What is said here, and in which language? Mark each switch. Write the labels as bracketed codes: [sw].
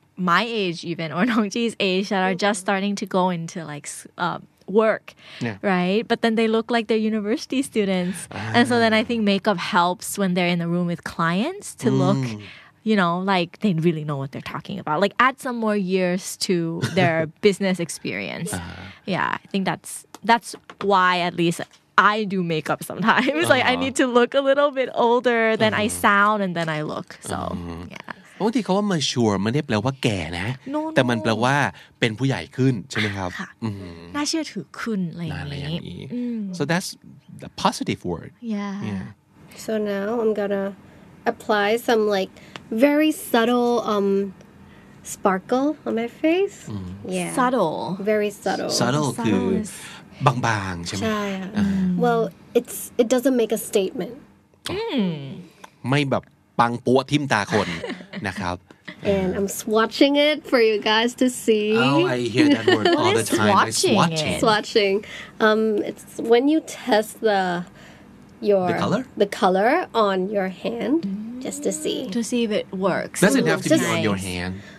[en] My age even or Nongji's age that are just starting to go into like work right but then they look like they're university students and so then I think makeup helps when they're in the room with clients to look you know like they really know what they're talking about like add some more years to their business experience yeah I think that's why at leastI do makeup sometimes. Like, I need to look a little bit older than I sound and then I look. So, yeah. [th] บางทีเขาว่า mature ไม่ได้แปลว่าแก่นะ [en] no, no. [th] แต่มันแปลว่าเป็นผู้ใหญ่ขึ้นใช่ไหมครับ น่าเชื่อถือขึ้นอะไรอย่างนี้ [en] So that's a positive word. Yeah. So now I'm gonna apply some like very subtle sparkle on my face. Yeah. Subtle. Very subtle. [th] Subtle คือบางๆใช่ไหม [en] Well it doesn't make a statement [th] ไม่แบบปังปัวทิมตาคนนะครับ [en] And I'm swatching it for you guys to see Oh I hear that word all the time swatching swatching it's when you test the color on your hand just to see if it works Does it have to be on your hand